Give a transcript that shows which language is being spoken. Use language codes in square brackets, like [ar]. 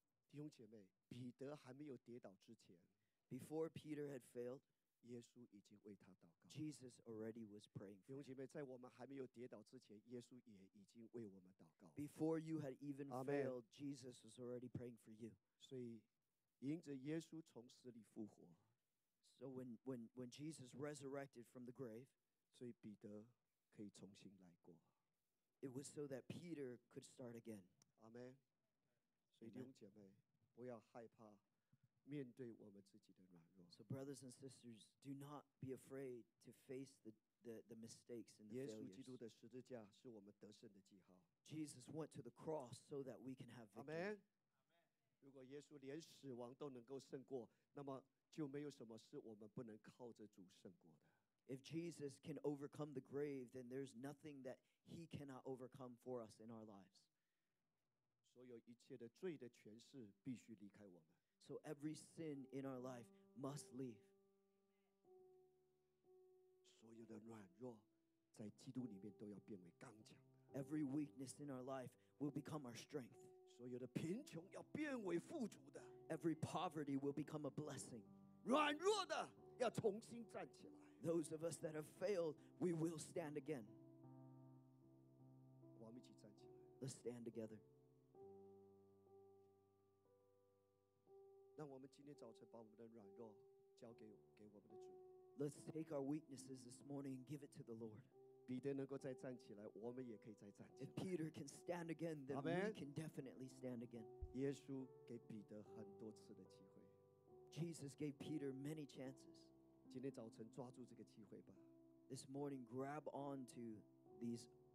[zh] 弟兄姐妹，彼得还没有跌倒之前 [en] ，before Peter had failed， [zh] 耶稣已经为他祷告。 [en] Jesus already was praying. [zh] 弟兄姐妹，在我们还没有跌倒之前，耶稣也已经为我们祷告。 [en] Before you had even failed, Jesus was already praying for you. [zh] 所以，迎着耶稣从死里复活。 [en] So when Jesus resurrected from the grave， [zh] 所以彼得可以重新来过。 [en] It was so that Peter could start again. Amen. [zh] 所以弟兄姐妹，不要害怕面对我们自己的软弱。 [en] So brothers and sisters, do not be afraid to face the mistakes and the failures. [zh] 耶稣基督的十字架是我们得胜的记号。 [en] Jesus went to the cross so that we can have victory. Amen. [zh] 如果耶稣连死亡都能够胜过，那么就没有什么是我们不能靠着主胜过的。 [en] If Jesus can overcome the grave, then there's nothing that he cannot overcome for us in our lives. [zh] 所有一切的罪的权势必须离开我们。 [en] So every sin in our life must leave. [zh] 所有的软弱在基督里面都要变为刚强。 [en] Every weakness in our life will become our strength. [zh] 所有的贫穷要变为富足的。 [en] Every poverty will become a blessing. [zh] 软弱的要重新站起来。 [en] Those of us that have failed, we will stand again. [zh] 我们一起站起来。 [en] Let's stand together. [zh] 让我们今天早晨把我们的软弱交给我们的主。 [en] Let's take our weaknesses this morning and give it to the Lord. [zh] 彼得能够再站起来，我们也可以再站起来。 [en] If Peter can stand again, then Amen. We can definitely stand again. [zh] 耶稣给彼得很多次的机会。 [en] Jesus gave Peter many chances. [zh] 今天早晨抓住这个机会吧。 [en] This morning, grab on to this opportunity.